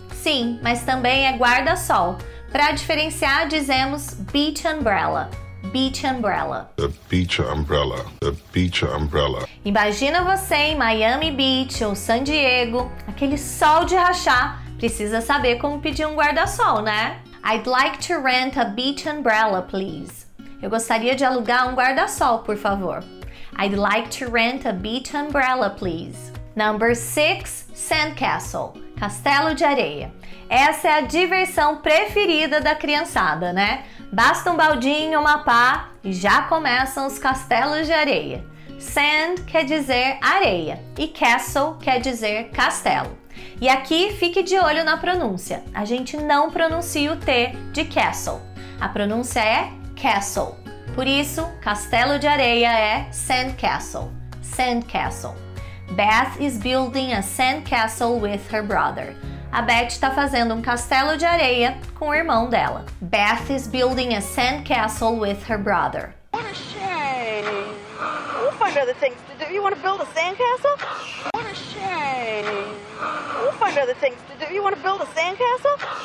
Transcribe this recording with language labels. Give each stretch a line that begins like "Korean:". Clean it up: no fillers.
Portuguese: Sim, mas também é guarda-sol. Para diferenciar, dizemos beach umbrella. Beach umbrella.
English: The beach umbrella. The beach umbrella.
Portuguese: Imagina você em Miami Beach ou San Diego, aquele sol de rachar. Precisa saber como pedir um guarda-sol, né?
English: I'd like to rent a beach umbrella, please.
Portuguese: Eu gostaria de alugar um guarda-sol, por favor.
English: I'd like to rent a beach umbrella, please. Number 6,
Portuguese: sandcastle. Castelo de areia. Essa é a diversão preferida da criançada, né? Basta um baldinho, uma pá e já começam os castelos de areia. Sand quer dizer areia e castle quer dizer castelo. E aqui fique de olho na pronúncia. A gente não pronuncia o T de castle. A pronúncia é castle. Por isso, castelo de areia é sandcastle.
English: Sandcastle. Beth is building a sandcastle with her brother.
Portuguese: A Beth está fazendo um castelo de areia com o irmão dela.
English: Beth is building a sandcastle with her brother. What a shame! We'll find other things to do. You want to build a sandcastle? What a shame! We'll find other things to do. You want to build a sandcastle?